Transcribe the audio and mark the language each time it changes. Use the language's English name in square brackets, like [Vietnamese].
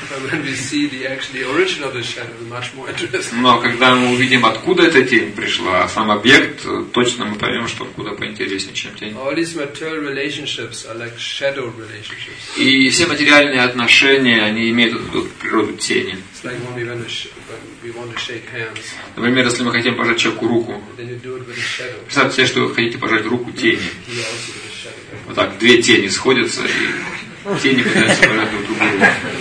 [English] When we see the actually origin of the shadow, much more interesting. [Russian] Но когда мы увидим, откуда эта тень пришла, сам объект, точно мы поймем, что он куда поинтереснее, чем тень. [English] All these material relationships are like shadow relationships. [Russian] И все материальные отношения, они имеют эту природу тени. [English] It's like when we want to shake hands. [Russian] Например, если мы хотим пожать человеку руку. [English] Then you do it with a shadow. [Russian] Представьте себе, что вы хотите пожать руку тени. Вот так две тени сходятся и тени пытаются пожать друг другу руку.